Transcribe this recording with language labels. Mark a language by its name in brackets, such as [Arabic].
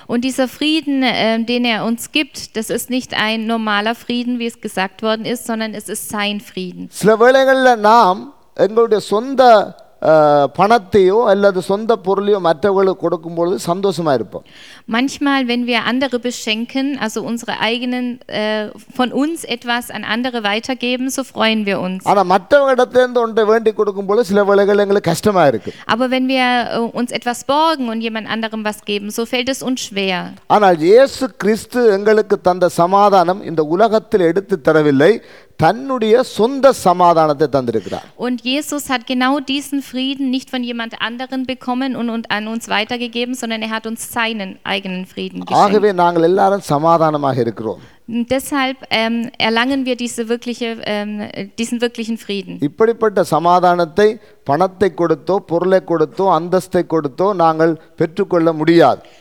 [German] Und dieser Frieden, den er uns gibt, das ist nicht ein normaler Frieden, wie es gesagt worden ist, sondern es ist sein Frieden. [Tamil] சில வேளைகளில் நாம் எங்களுடைய சொந்த பணத்தையோ அல்லது சொந்த பொருளையோ மற்றவர்களுக்கு கொடுக்கும் பொழுது சந்தோஷமா இருப்போம். [German] Manchmal, wenn wir andere beschenken, also unsere eigenen, von uns etwas an andere weitergeben, so freuen wir uns. Aber wenn wir uns etwas borgen und jemand anderem was geben, so fällt es uns schwer. [Tamil] ஆனால் இயேசு கிறிஸ்து எங்களுக்கு தந்த சமாதானம் இந்த உலகத்தில் எடுத்து தரவில்லை. தன்னுடைய சொந்த சமாதானத்தை தந்திருக்கிறார். [German] Und Jesus hat genau diesen Frieden nicht von jemand anderen bekommen und an uns weitergegeben, sondern er hat uns seinen eigenen Frieden geschenkt. [Tamil] ஆகவே நாங்கள் எல்லாரும் சமாதானமாக இருக்கிறோம். [German] Deshalb erlangen wir diese wirkliche diesen wirklichen Frieden. [Tamil] இப்படிப்பட்ட சமாதானத்தை பணத்தை கொடுத்தோ பொருளை கொடுத்தோ அந்தஸ்தை கொடுத்தோ நாங்கள் பெற்றுக்கொள்ள முடியாது.